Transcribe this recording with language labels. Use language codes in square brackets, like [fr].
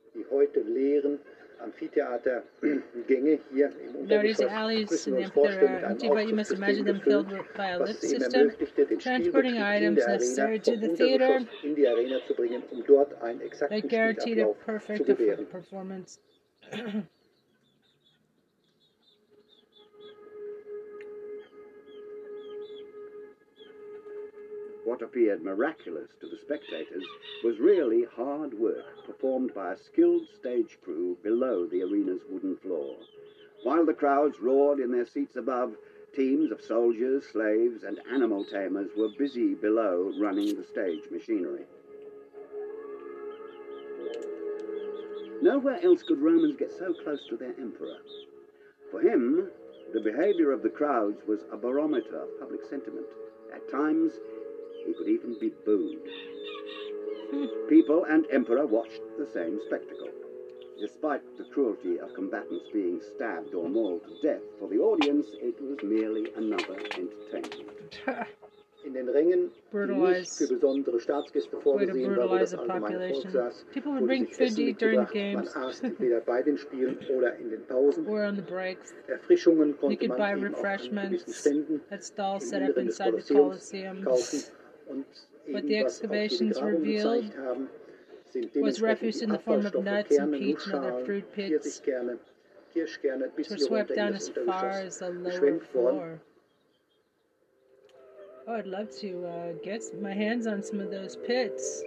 [de] Heute leeren amphitheater Gänge hier im Untergeschoss. [en] There is alleys in the amphitheater are empty, but you must imagine them filled by a lift system, transporting items necessary to the theater. [de] In die Arena zu bringen, um dort einen exakten Spielablauf zu gewähren. [en] What appeared miraculous to the spectators was really hard work performed by a skilled stage crew below the arena's wooden floor. While the crowds roared in their seats above, teams of soldiers, slaves, and animal tamers were busy below running the stage machinery. Nowhere else could Romans get so close to their emperor. For him, the behavior of the crowds was a barometer of public sentiment. At times, he could even be booed. People and emperor watched the same spectacle. Despite the cruelty of combatants being stabbed or mauled to death, for the audience, it was merely another entertainment. [de] In den Ringen, die nicht für besondere Staatsgäste vorgesehen war, wo das allgemeine Volk saß, wurde sich Essen mitgebracht. Man aß entweder bei den Spielen oder in den Pausen. Erfrischungen konnte man eben auch an gewissen Ständen im Inneren des Kolosseums kaufen. [en] But the excavations revealed was refuse in the form of nuts and peach and other fruit pits, which were swept down as far as the lower floor. Oh, I'd love to get my hands on some of those pits.